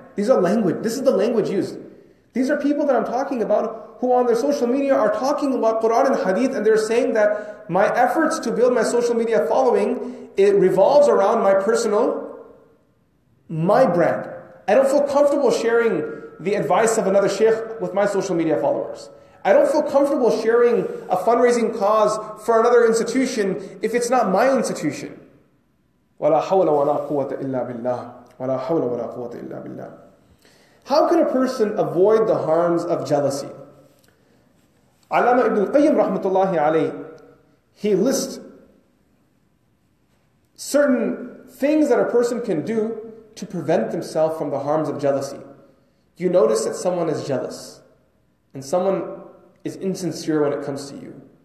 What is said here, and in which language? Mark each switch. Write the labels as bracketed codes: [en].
[en] This is the language used. These are people that I'm talking about who on their social media are talking about Quran and Hadith, and they're saying that my efforts to build my social media following, it revolves around my brand. I don't feel comfortable sharing the advice of another sheikh with my social media followers. I don't feel comfortable sharing a fundraising cause for another institution if it's not my institution. [ar] وَلَا حَوْلَ وَلَا قُوَّةَ إِلَّا بِاللَّهِ وَلَا حَوْلَ وَلَا قُوَّةَ إِلَّا بِاللَّهِ [en] How can a person avoid the harms of jealousy? Allama ibn al-Qayyim rahmatullahi alayhi, he lists certain things that a person can do to prevent themselves from the harms of jealousy. You notice that someone is jealous, and someone is insincere when it comes to you.